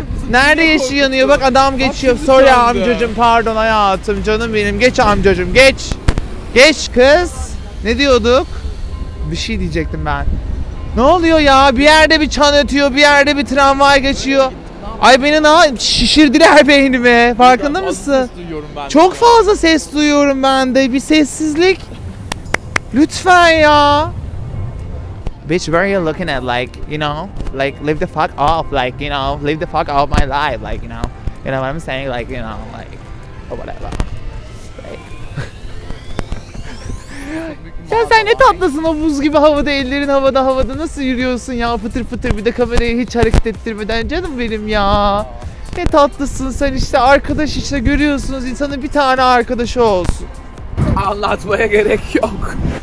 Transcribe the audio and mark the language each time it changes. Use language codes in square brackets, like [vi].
[tr] Nerede yeşil yanıyor? Bak adam geçiyor. Sor ya amcacığım. Pardon hayatım. Canım benim. Geç amcacığım. Geç. Geç kız. Ne diyorduk? Bir şey diyecektim ben. Ne oluyor ya? Bir yerde bir çan ötüyor. Bir yerde bir tramvay geçiyor. Ay beni ne şişirdiler beynimi. Farkında mısın? Çok fazla ses duyuyorum ben de. Bir sessizlik. Lütfen ya. [en] Bitch, where are you looking at? Like, you know, like live the fuck off. Like, you know, live the fuck off my life. Like, you know what I'm saying? Like, you know, like, or whatever. [tr] Ya sen ne tatlısın o buz gibi havada, ellerin havada havada nasıl yürüyorsun ya fıtır fıtır, bir de kamerayı hiç hareket ettirmeden, canım benim ya. Ne tatlısın sen, işte arkadaş, işte görüyorsunuz, insanın bir tane arkadaşı olsun. Anlatmaya gerek yok.